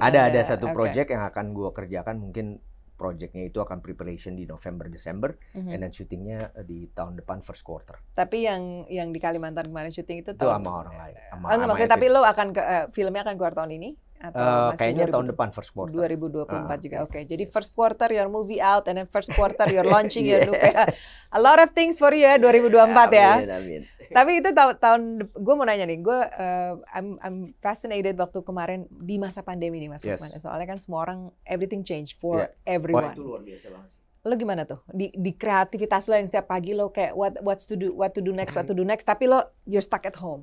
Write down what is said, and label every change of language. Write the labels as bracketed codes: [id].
[id] ada satu project yang akan gue kerjakan. Mungkin projectnya itu akan preparation di November, Desember, and then shootingnya di tahun depan [en] first quarter. [id] Tapi yang di Kalimantan kemarin shooting itu tahun sama orang lain. Enggak maksudnya, tapi lo akan filmnya akan keluar tahun ini? Kayaknya tahun depan [en] first quarter [id] 2024 juga. Oke. [en] Okay. [id] Jadi [en] first quarter your movie out and then first quarter you're launching your new PH. A lot of things for you ya 2024 ya. [id] Amin. Tapi itu tahun gue mau nanya nih. Gue [en] I'm fascinated [id] waktu kemarin di masa pandemi nih, Mas. Yes. Soalnya kan semua orang [en] everything change for everyone. [id] Wah, itu luar biasa banget. Lo gimana tuh? Di kreativitas lo yang setiap pagi lo kayak [en] what to do next, [id] tapi lo [en] you're stuck at home.